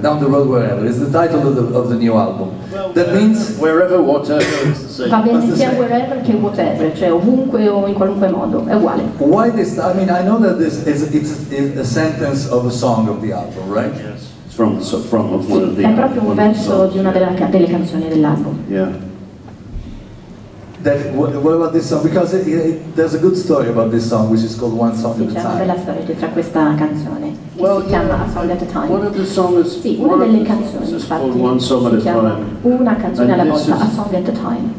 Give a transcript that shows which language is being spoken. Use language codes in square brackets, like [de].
[en] Down the Road Wherever, is the title of the new album. Well, that means Wherever, Whatever, [it] va bene sia Wherever che Whatever, cioè ovunque o in qualunque modo, è uguale. [en] Why this? I mean, I know that this is it's a sentence of a song of the album, right? Yes. From one [it] sì, [en] of the [it] è proprio un verso di una delle canzoni dell'album. [en] Yeah. What about this song? Because there's a good story about this song, which is called One Song [it] sì, [en] at a Time. [it] C'è una bella storia dietro a questa canzone che si chiama A Song at a Time. [en] One of the songs, [it] sì, una delle canzoni, infatti, si chiama Una Canzone alla Volta, A Song at a Time.